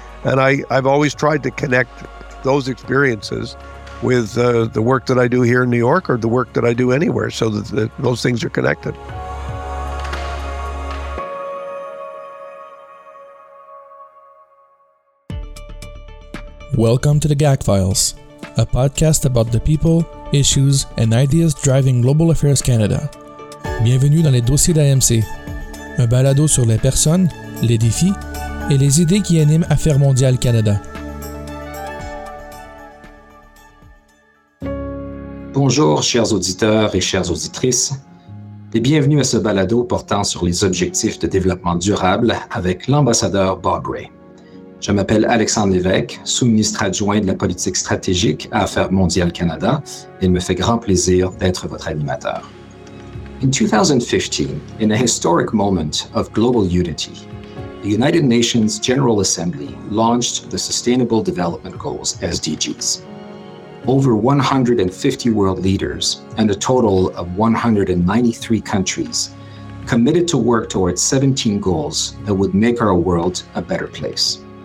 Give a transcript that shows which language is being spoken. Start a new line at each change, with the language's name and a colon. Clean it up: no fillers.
English: And I've always tried to connect those experiences with the work that I do here in New York or the work that I do anywhere so that those things are connected. Welcome to the GAC Files, a podcast about the people, issues, and ideas driving Global Affairs Canada.
French: Bienvenue dans les dossiers d'AMC, un balado sur les personnes, les défis et les idées qui animent Affaires mondiales Canada. Bonjour, chers auditeurs et chères auditrices, et bienvenue à ce balado portant sur les objectifs de développement durable avec l'ambassadeur Bob Ray. Je m'appelle Alexandre Lévesque, sous-ministre adjoint de la politique stratégique à Affaires mondiales Canada. Il me fait grand plaisir d'être votre animateur.
English: In 2015, in a historic moment of global unity, the United Nations General Assembly launched the Sustainable Development Goals, SDGs. Over 150 world leaders and a total of 193 countries committed to work towards 17 goals that would make our world a better place.